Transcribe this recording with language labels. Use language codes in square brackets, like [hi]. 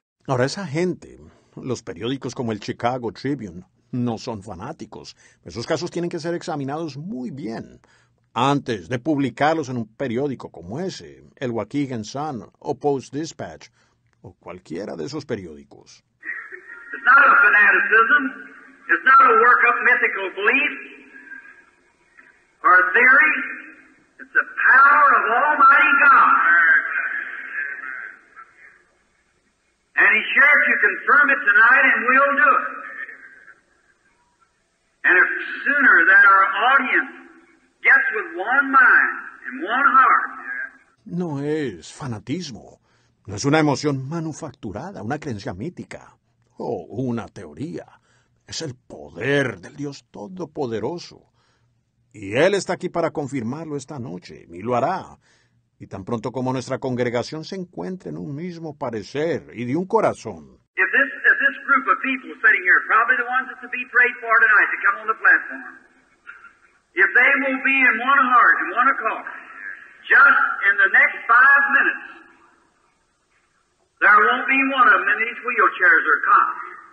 [es] Ahora, esa gente, los periódicos como el Chicago Tribune, no son fanáticos. Esos casos tienen que ser examinados muy bien antes de publicarlos en un periódico como ese, el Waukegan Sun o Post Dispatch, o cualquiera de esos periódicos. [en] It's not a fanaticism. It's not a work up mythical belief or a theory. It's the power of Almighty God. And he's sure if you confirm it tonight, and we'll do it. And if sooner that our audience gets with one mind and one heart. [es] No es fanatismo. No es una emoción manufacturada, una creencia mítica o una teoría. Es el poder del Dios Todopoderoso. Y Él está aquí para confirmarlo esta noche, y lo hará. Y tan pronto como nuestra congregación se encuentre en un mismo parecer y de un corazón. [en] If this group of people sitting here, probably the ones that to be prayed for tonight, to come on the platform, if they will be in one heart, in one accord, just in the next 5 minutes, there won't be one of them in these wheelchairs or cots.